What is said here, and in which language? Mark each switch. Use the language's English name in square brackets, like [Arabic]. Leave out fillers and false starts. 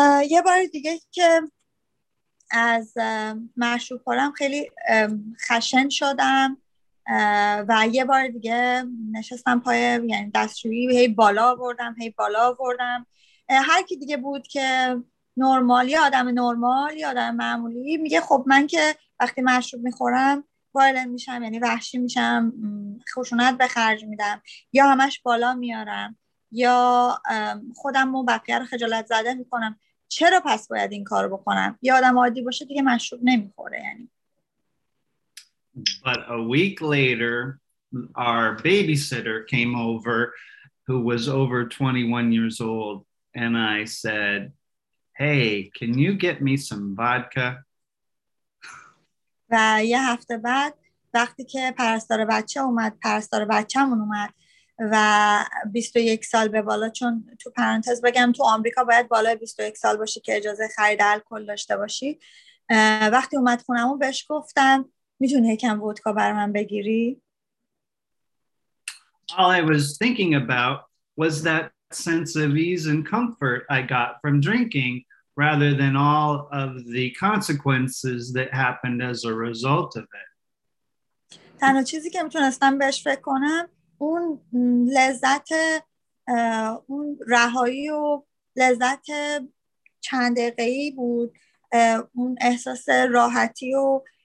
[Persian] یه بار دیگه که از مشروب خوردم خیلی خشن شدم و یه بار دیگه نشستم پای یعنی دستشویی هی بالا آوردم. هر کی دیگه بود که نرمال یا آدم معمولی میگه خب من که وقتی مشروب میخورم وایلنت میشم، یعنی وحشی میشم، خشونت به خرج میدم، یا همش بالا میارم، یا خودم رو بقیه رو خجالت زده میکنم. چرا پس باید این کار بکنم؟ یه آدم عادی باشه دیگه مشروب نمیخوره یعنی. [English] But a week later, our babysitter came over who was over 21 years old, and I said, hey, can you get me some vodka? [Persian] و یه هفته بعد وقتی که پرستار بچه اومد، پرستار بچه همون اومد و 21 سال به بالا، چون تو پرانتز بگم تو آمریکا باید بالای 21 سال باشی که اجازه خرید الکل داشته باشی، وقتی اومد خونمون بهش گفتم میتونی یکم ودکا بر من بگیری؟ [English] All I was thinking about was that sense of ease and comfort I got from drinking rather than all of the consequences that happened as a result of it. [Persian] تنها چیزی که میتونستم بهش فکر کنم اون لذت، اون رهایی و لذت چند دقیقه‌ای بود، اون احساس راحتی و